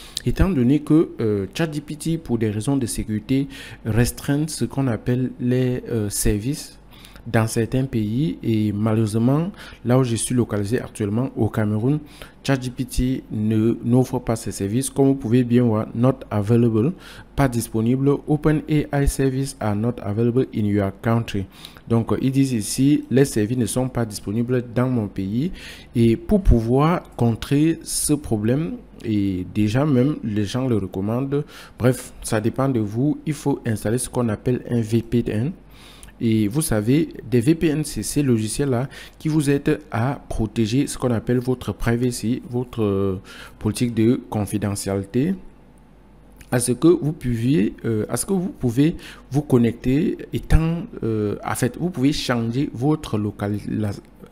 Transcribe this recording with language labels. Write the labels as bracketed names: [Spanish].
[French] Étant donné que ChatGPT, pour des raisons de sécurité, restreint ce qu'on appelle les services dans certains pays, et malheureusement, là où je suis localisé actuellement, au Cameroun, ChatGPT n'offre pas ses services. Comme vous pouvez bien voir, [English] not available, [French] pas disponible. [English] OpenAI service are not available in your country. [French] Donc, ils disent ici, les services ne sont pas disponibles dans mon pays. Et pour pouvoir contrer ce problème, et déjà même les gens le recommandent, bref, ça dépend de vous, il faut installer ce qu'on appelle un VPN. Et vous savez, des VPN, c'est ces logiciels-là qui vous aident à protéger ce qu'on appelle votre privacy, votre politique de confidentialité, à ce que vous puviez, à ce que vous pouvez vous connecter, étant, en fait, vous pouvez changer votre localisation.